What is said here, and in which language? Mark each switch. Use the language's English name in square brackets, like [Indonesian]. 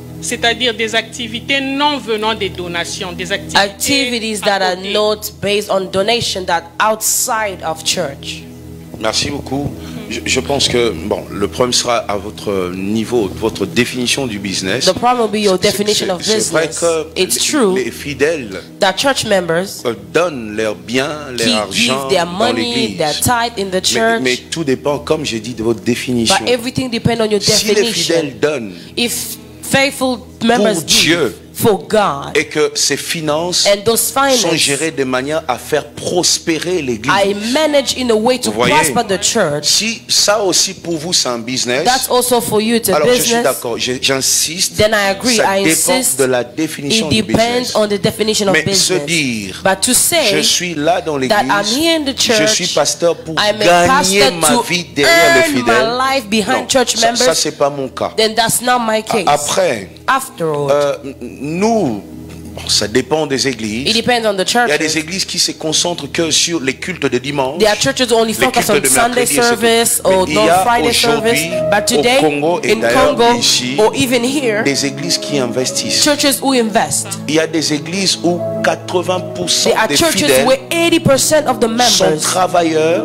[French] C'est-à-dire des activités non venant des donations, des activités [English] activities that [French] côté. [English] Are not based on donation that outside of church. [French] Merci beaucoup. Je pense que bon, le problème sera à votre niveau, votre définition du business. [English] The problem will be your definition [French] c'est, [English] of business. [French] C'est vrai que [English] it's true [French] les fidèles [English] that church members [French] donnent leur bien, leur argent dans [English] money, [French] l'église. [English] Their tithe in the church. [French] Mais tout dépend, comme j'ai dit, de votre définition. [English] But everything depends on your definition. [French] Si les fidèles donnent, [English] if faithful members [French] pour Dieu, [English] for God, [French] et que ces finances, [English] and those finances [French] sont gérées de manière à faire prospérer l'église. [English] I manage in a way to [French] voyez, [English] prosper the church. [French] Si ça aussi pour vous c'est un business, [English] that's also for you it's a [French] alors [English] business, [French] je suis d'accord, j'insiste. [English] Then I agree, [French] ça [English] I [French] dépend [English] insist, [French] de la définition [English] it depends [French] du business. [English] On the definition of [French] mais [English] business. [French] Se dire, [English] but to say [French] je suis là dans l'église, [English] that I'm here in the church, [French] je suis pasteur pour [English] I'm [French] gagner [English] a pastor [French] ma vie derrière [English] earn [French] le fidèle. [English] My life behind [French] non, [English] church members, [French] ça c'est pas mon cas. [English] Then that's not my case. [French] Après, [English] after all, [French] nous, bon, ça dépend des églises. [English] It depends on the churches. [French] Il y a des églises qui se concentrent que sur les cultes de dimanche. [English] There are churches only focus on Sunday service or [French] il y a [English] no Friday service. But today, [French] au Congo et [English] in Congo, [French] ici, [English] or even here, [French] des églises qui investissent. [English] Churches who invest. [French] Il y a des églises où 80% [English] there [French] des [English] churches [French] fidèles [English] where 80% of the members [French] sont travailleurs